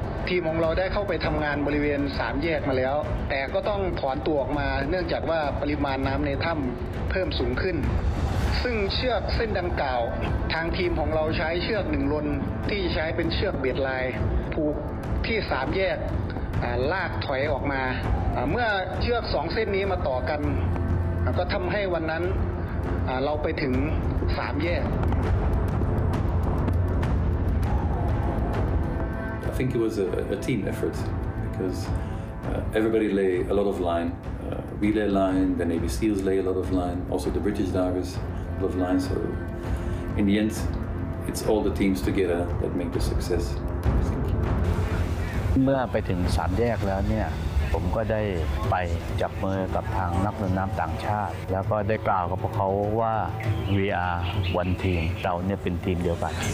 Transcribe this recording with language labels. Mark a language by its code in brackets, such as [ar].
[th] ทีมของเราได้เข้าไปทำงานบริเวณ3แยกมาแล้วแต่ก็ต้องถอนตัวออกมาเนื่องจากว่าปริมาณน้ำในถ้ำเพิ่มสูงขึ้นซึ่งเชือกเส้นดังกล่าวทางทีมของเราใช้เชือก1รนที่ใช้เป็นเชือกเบียดลายผูกที่3แยกลากถอยออกมาเมื่อเชือก2เส้นนี้มาต่อกันก็ทำให้วันนั้นเราไปถึง3แยก [en] I think it was a team effort because everybody lay a lot of line. We lay line, the Navy SEALs lay a lot of line, also the British divers a lot of line. So in the end, it's all the teams together that make the success. [th] เมื่อไปถึงสามแยกแล้วเนี่ยผมก็ได้ไปจับมือกับทางนักดำน้ำต่างชาติแล้วก็ได้กล่าวกับพวกเขาว่า [en] we are one team [th] เราเนี่ยเป็นทีมเดียวกัน